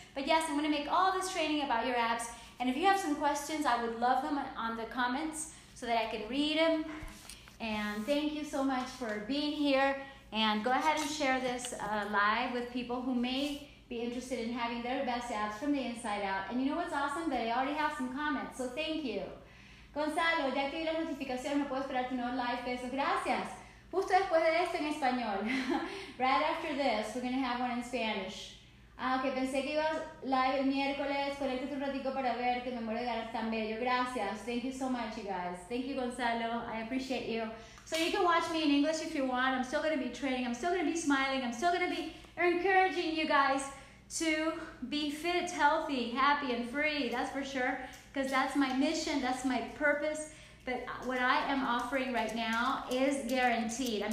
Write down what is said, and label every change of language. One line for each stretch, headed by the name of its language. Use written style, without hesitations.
English: But yes, I'm going to make all this training about your abs, and if you have some questions, I would love them on the comments so that I can read them. And thank you so much for being here, and go ahead and share this live with people who may be interested in having their best abs from the inside out. And you know what's awesome? They already have some comments, so thank you.
Spanish: Gonzalo, ya activé las notificaciones, no puedo esperar tu nuevo live, besos, gracias. Justo después de esto en español.
English: Right after this, we're gonna have one in Spanish.
Spanish: Ah, ok, pensé que ibas live el miércoles, conéctate un ratito para verte, me muero de ganas tan bello, gracias.
English: Thank you so much, you guys. Thank you, Gonzalo, I appreciate you. So you can watch me in English if you want. I'm still gonna be training, I'm still gonna be smiling, I'm still gonna be encouraging you guys to be fit, healthy, happy, and free, that's for sure. Because that's my mission, that's my purpose. But what I am offering right now is guaranteed.